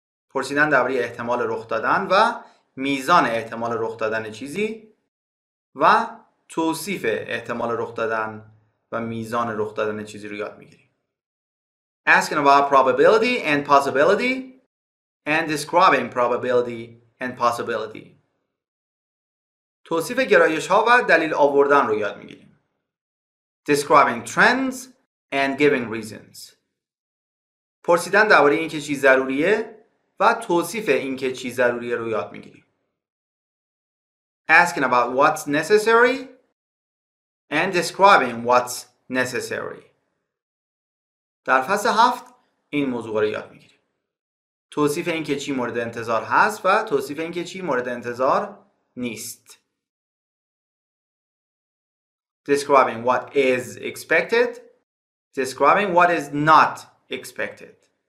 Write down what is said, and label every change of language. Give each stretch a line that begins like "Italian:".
Persian: پرسیدن درباره احتمال رخ دادن و میزان احتمال رخ دادن چیزی و توصیف احتمال رخ دادن و میزان رخ دادن چیزی رو یاد میگیریم.
English: Asking about probability and possibility and describing probability and possibility.
Persian: توصیف گرایش ها و دلیل آوردن رو یاد میگیریم.
English: Describing trends and giving reasons.
Persian: پرسیدن درباره این که چی ضروریه و توصیف این که چی ضروریه رو یاد میگیریم.
English: Asking about what's necessary and describing what's necessary.
Persian: در فصل 7 این موضوع رو یاد میگیریم. توصیف این که چی مورد انتظار هست و توصیف این که چی مورد انتظار نیست.
English: Describing what is expected. Describing what is not expected.